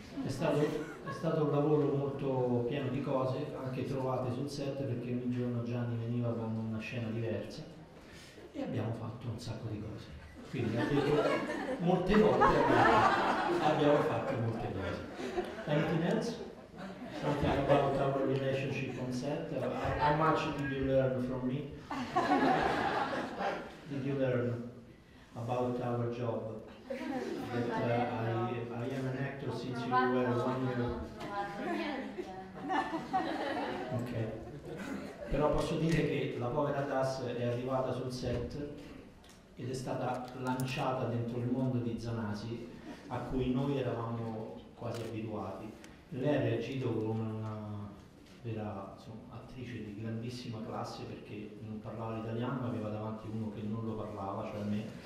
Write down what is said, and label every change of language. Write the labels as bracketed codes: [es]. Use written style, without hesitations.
[it] È stato un lavoro molto pieno di cose, anche trovate sul set, perché ogni giorno Gianni veniva con una scena diversa e abbiamo fatto un sacco di cose. Quindi abbiamo fatto molte cose. [en] Anything else? Something about our relationship on set? How much did you learn from me? Did you learn about our job? That I am an actor since you were 1 year. Ok. [it] Però posso dire che la povera Das è arrivata sul set ed è stata lanciata dentro il mondo di Zanasi, a cui noi eravamo quasi abituati. Lei ha reagito come una vera, insomma, attrice di grandissima classe, perché non parlava l'italiano, ma aveva davanti uno che non lo parlava, cioè me.